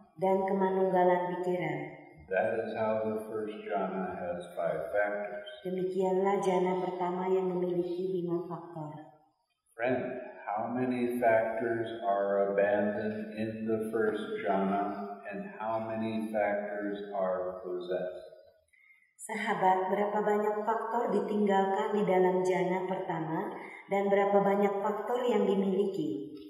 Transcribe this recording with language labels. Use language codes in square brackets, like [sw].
[id] dan kemanunggalan pikiran. [en] That is how the first jhana has 5 factors. [id] Demikianlah jhana pertama yang memiliki 5 faktor. [en] Friend, how many factors are abandoned in the first jhana and how many factors are possessed? [id] Sahabat, berapa banyak faktor ditinggalkan di dalam jhana pertama dan berapa banyak faktor yang dimiliki?